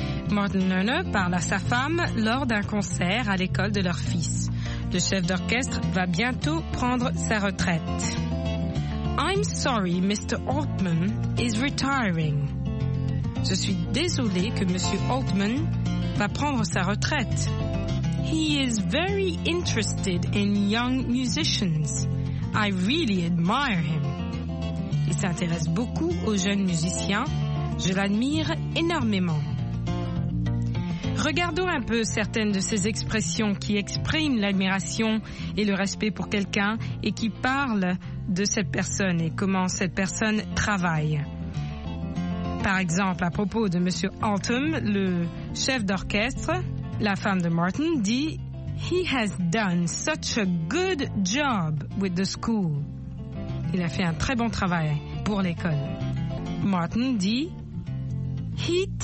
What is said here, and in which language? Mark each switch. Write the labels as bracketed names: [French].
[French] Martin Lerner parle à sa femme lors d'un concert à l'école de leur fils. Le chef d'orchestre va bientôt prendre sa retraite. [English] I'm sorry, Mr. Altman is retiring. [French] Je suis désolé que Monsieur Altman va prendre sa retraite. [English] He is very interested in young musicians. I really admire him. [French] Il s'intéresse beaucoup aux jeunes musiciens. Je l'admire énormément. Regardons un peu certaines de ces expressions qui expriment l'admiration et le respect pour quelqu'un et qui parlent de cette personne et comment cette personne travaille. Par exemple, à propos de Monsieur Altman, le chef d'orchestre, la femme de Martin dit « [English] He has done such a good job with the school. [French] » Il a fait un très bon travail pour l'école. Martin dit [English] « He takes young people » who aren't very interested